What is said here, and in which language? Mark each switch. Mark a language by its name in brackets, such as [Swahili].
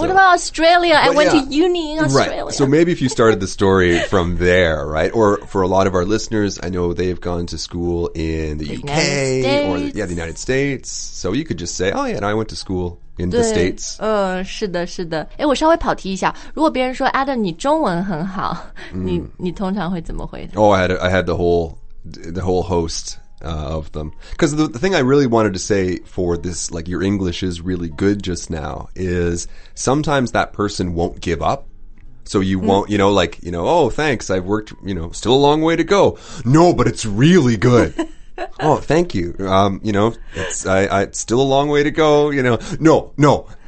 [English] What about Australia? I went to uni in Australia. Right, so maybe if you started the story from there, right? Or for a lot of our listeners, I know they've gone to school in the UK. The United States. So you could just say, oh yeah, and I went to school in the States. [Chinese] 是的是的。诶我稍微跑题一下。如果别人说 Adam, 你中文很好、你通常会怎么回答 [English] Oh, I had the whole host. Of them. Because the thing I really wanted to say for this, like your English is really good just now, is sometimes that person won't give up. So you won't, you know, like, you know, oh, thanks, I've worked, you know, still a long way to go. No, but it's really good. Oh, thank you. You know, it's still a long way to go, you know. No.